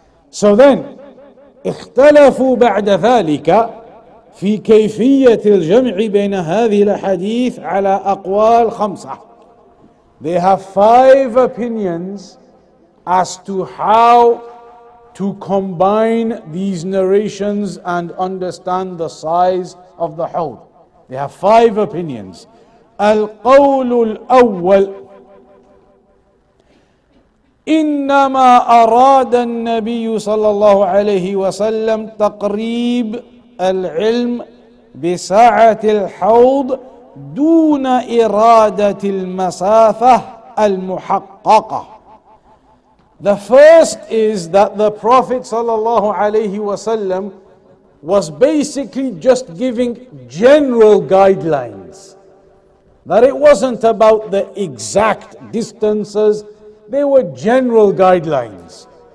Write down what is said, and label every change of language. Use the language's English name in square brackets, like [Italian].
[Arabic] So then, اختلفوا بعد ذلك في كيفية الجمع بين هذه الحديث على أقوال خمسة. [English] They have five opinions as to how to combine these narrations and understand the size of the hawb. They have five opinions. [Arabic] القول الأول إنما أراد النبي صلى الله عليه وسلم تقريب العلم بساعة الحوض دون إرادة المسافة المحققة. [English] The first is that the Prophet صلى الله عليه وسلم was basically just giving general guidelines. That it wasn't about the exact distances, they were general guidelines.